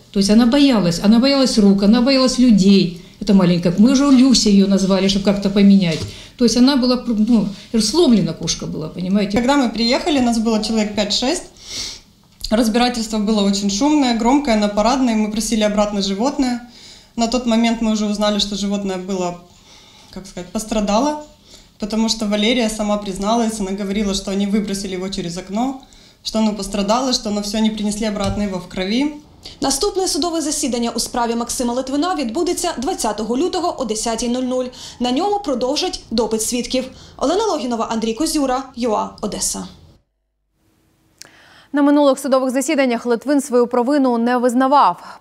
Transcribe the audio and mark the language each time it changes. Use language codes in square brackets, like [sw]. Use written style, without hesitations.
[uk] Тобто вона боялась, рук, вона боялась людей. Це маленька. Ми вже Люся її назвали, щоб якось поміняти. Тобто вона була, ну, [ru] сломлена кошка [uk] була, розумієте? Коли ми приїхали, нас було чоловік 5-6. Розбирательство було дуже шумне, громке, на парадне. Ми просили [ru] обратно животное. На тот момент мы уже узнали, что животное было, как сказать, пострадало, потому что Валерия сама призналась, она говорила, что они выбросили его через окно, что оно пострадало, что оно все не принесли обратно его в крови. [uk] Наступне судове засідання у справі Максима Литвина відбудеться 20 лютого о 10:00. На ньому продовжать допит свідків. Олена Логінова, Андрій Козюра, ЮА, Одеса. На минулих судових засіданнях Литвин свою провину не визнавав.